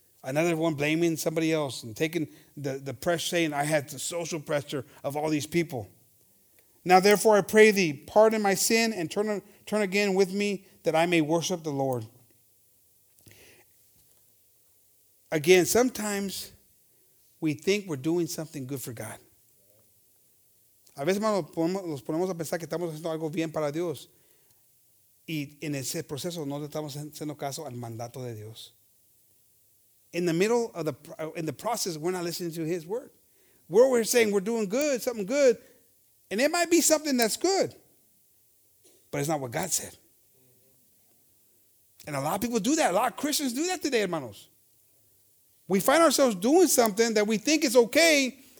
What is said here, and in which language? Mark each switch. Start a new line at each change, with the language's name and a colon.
English: Another one blaming somebody else and taking the pressure, saying, I had the social pressure of all these people. Now, therefore, I pray thee, pardon my sin and turn again with me that I may worship the Lord. Again, sometimes we think we're doing something good for God.
Spanish: A veces, hermanos, nos ponemos a pensar que estamos haciendo algo bien para Dios. Y en ese proceso no estamos haciendo caso al mandato de Dios.
English: In the middle of the process, we're not listening to his word. We're saying we're doing good, something good. And it might be something that's good. But it's not what God said. And a lot of people do that. A lot of Christians do that today, hermanos. We find ourselves doing something that we think is okay.